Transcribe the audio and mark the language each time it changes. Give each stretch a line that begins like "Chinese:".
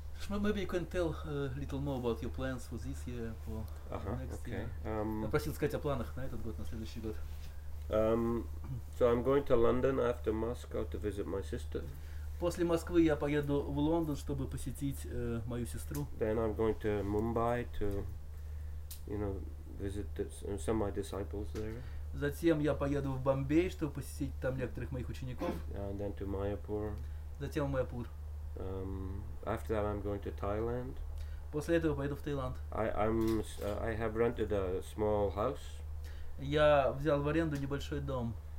English: Maybe you can tell a little more about your plans for this year, for next year.
Russian: Я просил сказать о планах на этот год, на следующий год. So I'm going to London after Moscow to visit my sister. После Москвы я поеду в Лондон, чтобы посетить мою сестру.
English: Then I'm going to Mumbai to, you know, visit some of my disciples there.
Russian: Затем я поеду в Бомбей, чтобы посетить там некоторых моих учеников.
English: And then to Mayapur.
Russian: Затем в Майяпур.
English: After that, I'm going to Thailand.
Russian: После этого поеду в Таиланд.
English: I have rented a small house.
Russian: Я взял в аренду небольшой дом.